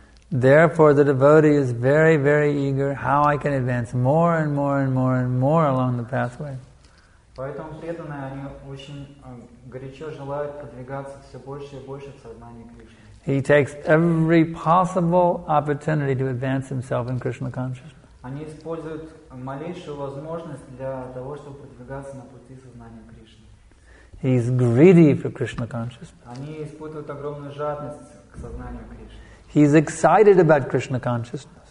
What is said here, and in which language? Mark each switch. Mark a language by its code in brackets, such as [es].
[en] Therefore, the devotee is very, very eager how I can advance more and more and more and more along the pathway. [ru] Поэтому преданные, они очень горячо желают продвигаться все больше и больше в сознании Кришны. [en] He takes every possible opportunity to advance himself in Krishna consciousness. [ru] Они используют малейшую возможность для того, чтобы продвигаться на пути сознания Кришны. [en] He is greedy for Krishna consciousness. [ru] Они испытывают огромную жадность к сознанию Кришны. [en] He is excited about Krishna consciousness.